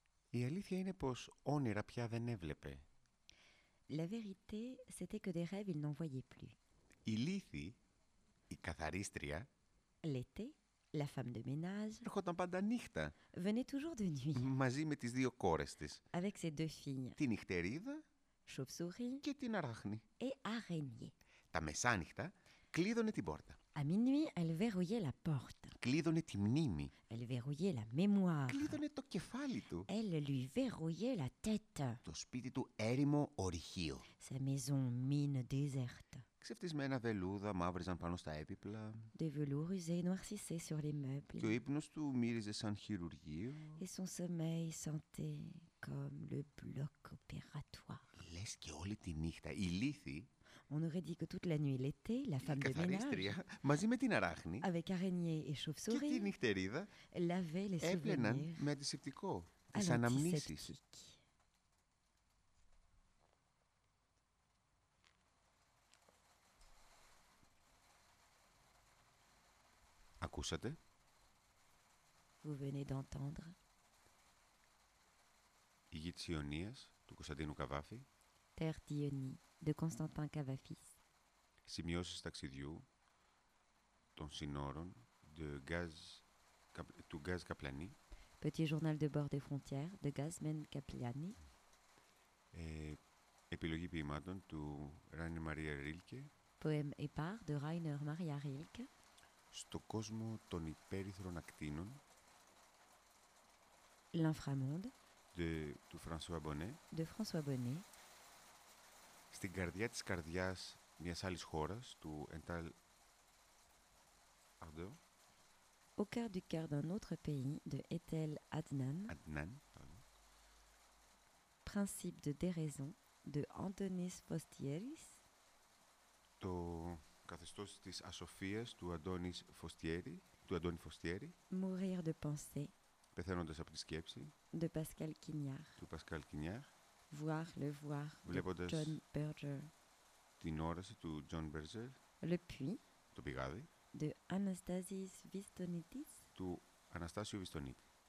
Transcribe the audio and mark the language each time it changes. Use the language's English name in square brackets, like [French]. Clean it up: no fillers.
[Greek] Η αλήθεια είναι πως όνειρα πια δεν έβλεπε. [French] La vérité, c'était que des rêves il n'en voyait plus. [Greek] Η Λίθη, η καθαρίστρια, [French] l'été. La femme de ménage [Greek] έρχονταν πάντα νύχτα. [French] Venait toujours de nuit. [Greek] Μαζί με τις δύο κόρες της. [French] Avec ses deux filles. [Greek] Την νυχτερίδα. [French] Chauve-souris. [Greek] Και την αράχνη. [French] Et araignée. [Greek] Τα μεσάνυχτα κλείδωνε την πόρτα. [French] À minuit, elle verrouillait la porte. [Greek] Κλείδωνε τη μνήμη. [French] Elle verrouillait la mémoire. [Greek] Κλείδωνε το κεφάλι του. [French] Elle lui verrouillait la tête. [Greek] Το σπίτι του έρημο ορυχείο. [French] Sa maison mine déserte. [Greek] Ξεφτισμένα βελούδα μαύριζαν πάνω στα έπιπλα. [French] Des velours usés noircissaient sur les meubles. [Greek] Και ο ύπνος του μύριζε σαν χειρουργείο. [French] Et son sommeil sentait comme le bloc opératoire. [Greek] Λες και όλη τη νύχτα η Λίθη. [French] On aurait dit que toute la nuit l'été, la femme de ménage, [Greek] μαζί με την αράχνη, [French] avec araignée et chauve-souris, [Greek] και τη νυχτερίδα, [French] lavait les souvenirs [Greek] με αντισηπτικό, τις αναμνήσεις. Ακούσατε? [French] Vous venez d'entendre. [Greek] Η γη της Ιωνίας, του Κωνσταντίνου Καβάφη. [French] Terre d'Ionie. De Constantin Cavafis. [Greek] Σημειώσεις ταξιδιού των συνόρων [French] de Gaz, [Greek] του Gaz Kaplani. [French] Petit journal de bord des frontières de Gazmen Kaplani. [Greek] Επιλογή ποιημάτων του Rainer Maria Rilke. [French] Poème épars de Rainer Maria Rilke. [Greek] Στο κόσμο των υπέρυθρων ακτίνων. [French] L'inframonde. [Greek] Του François Bonnet. [French] De François Bonnet. [Greek] Στην καρδιά της καρδιάς μιας άλλης χώρας, του Ental Ardeau. [French] Au cœur du cœur d'un autre pays, de Ethel Adnan. Adnan, pardon. Principe de déraison, de Antonis Fostieris. [Greek] Το καθεστώς της ασοφίας του Αντώνης Φωστιέρη, του Αντώνη Φωστιέρη. [French] Mourir de pensée. [Greek] Πεθαίνοντας από τη σκέψη. [French] De Pascal Quignard. [Greek] Του Pascal Quignard. [French] Voir le voir de John Berger. [Greek] Την όραση του John Berger. [French] Le puits. [Greek] Το πηγάδι. [French] De Anastasis Vistonitis. [Greek] Του Αναστάσιο Βιστονίτη.